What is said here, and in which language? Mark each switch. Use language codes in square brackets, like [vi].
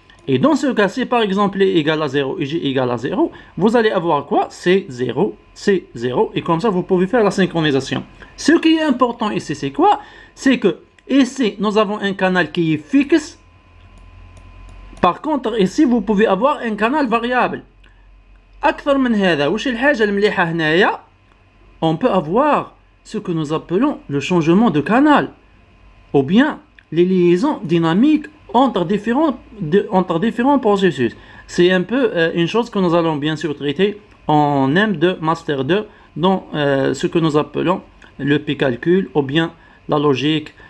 [fr] Et dans ce cas, si par exemple E égale à 0 et G égale à 0, vous allez avoir quoi? C 0, C 0 et comme ça, vous pouvez faire la synchronisation. Ce qui est important ici, c'est quoi? C'est que ici, nous avons un canal qui est fixe. Par contre, ici, vous pouvez avoir un canal variable. [ar] أكثر من هذا, وش الحاجة المليحة هنايا? [fr] On peut avoir ce que nous appelons le changement de canal. Ou bien les liaisons dynamiques entre différents processus. C'est un peu une chose que nous allons bien sûr traiter en M2, Master 2, dans ce que nous appelons le P-calcul ou bien la logique.